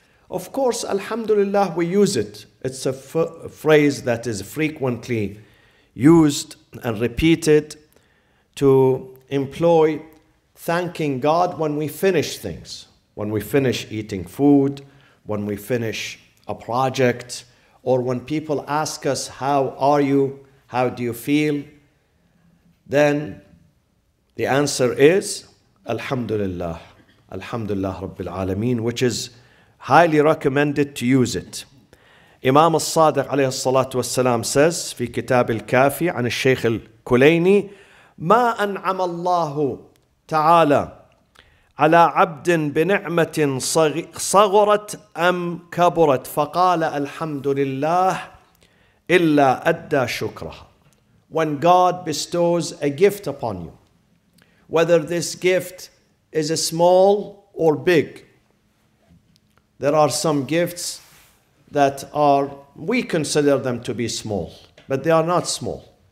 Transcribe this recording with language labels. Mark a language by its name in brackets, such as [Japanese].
[English] Of course, alhamdulillah, we use it. It's a phrase that is frequently used and repeated to employ thanking God when we finish things, when we finish eating food, when we finish a project, or when people ask us, how are you? How do you feel? Then the answer is, alhamdulillah, alhamdulillah rabbil alameen, which is highly recommended to use it. [Arabic] Imam al-Sadiq alayhi salatu wassalam says, في كتاب الكافي عن الشيخ الكليني, ما أنعم الله تعالى على عبد بنعمة صغرت أم كبرت فقال الحمد لله إلا أدى شكرها. [English] When God bestows a gift upon you, whether this gift is a small or big, there are some gifts that are, we consider them to be small, but they are not small.